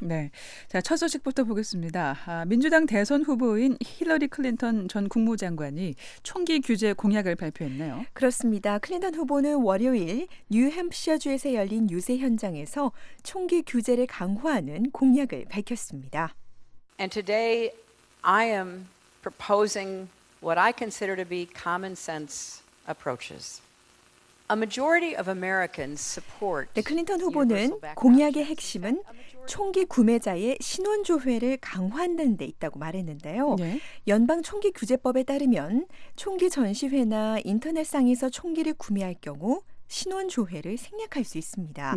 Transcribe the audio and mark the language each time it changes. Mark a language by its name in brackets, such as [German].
[Korean] 네, 자, 첫 소식부터 보겠습니다. 민주당 대선 후보인 힐러리 클린턴 전 국무장관이 총기 규제 공약을 발표했네요. 그렇습니다. 클린턴 후보는 월요일 뉴햄프셔주에서 열린 유세 현장에서 총기 규제를 강화하는 공약을 밝혔습니다. [English] And today I am proposing what I consider to be common sense approaches. A majority of Americans support. [Korean] 네, 클린턴 후보는 공약의 핵심은 총기 구매자의 신원 조회를 강화하는 데 있다고 말했는데요. 네. 연방 총기 규제법에 따르면 총기 전시회나 인터넷상에서 총기를 구매할 경우 신원 조회를 생략할 수 있습니다.